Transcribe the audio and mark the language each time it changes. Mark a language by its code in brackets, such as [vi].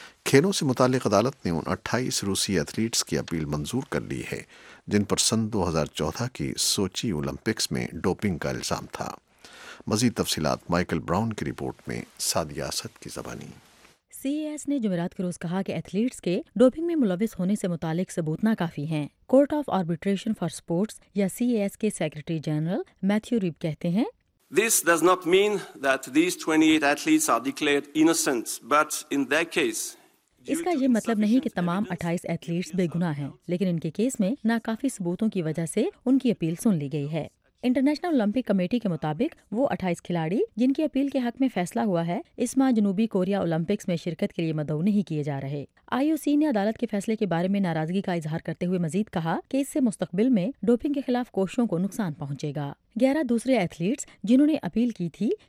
[ur] کھیلوں سے متعلق عدالت نے ان 28 روسی ایتھلیٹس کی اپیل منظور کر لی ہے جن پر سن 2014 کی سوچی اولمپکس میں ڈوپنگ کا الزام تھا۔ مزید تفصیلات مائیکل براؤن کی رپورٹ میں سعدیہ اسد کی زبانی۔ سی اے ایس نے جمعرات کے روز کہا کہ ایتھلیٹس کے ڈوپنگ میں ملوث ہونے سے متعلق ثبوت ناکافی ہیں۔ Court of arbitration for sports یا سی اے ایس کے سیکرٹری جنرل میتھیو ریب کہتے ہیں، [en] This does not mean that these 28 athletes are declared innocent, but in their case, [ur] اس کا یہ مطلب نہیں کہ تمام 28 ایتھلیٹس بے گناہ ہیں، لیکن ان کے کیس میں ناکافی ثبوتوں کی وجہ سے ان کی اپیل سن لی گئی ہے۔ انٹرنیشنل اولمپک کمیٹی کے مطابق وہ 28 کھلاڑی جن کی اپیل کے حق میں فیصلہ ہوا ہے، اس ماہ جنوبی کوریا اولمپکس میں شرکت کے لیے مدعو نہیں کیے جا رہے۔ آئی او سی نے عدالت کے فیصلے کے بارے میں ناراضگی کا اظہار کرتے ہوئے مزید کہا کہ اس سے مستقبل میں ڈوپنگ کے خلاف کوششوں کو نقصان پہنچے گا۔ 11 دوسرے ایتھلیٹس جنہوں نے اپیل کی تھی،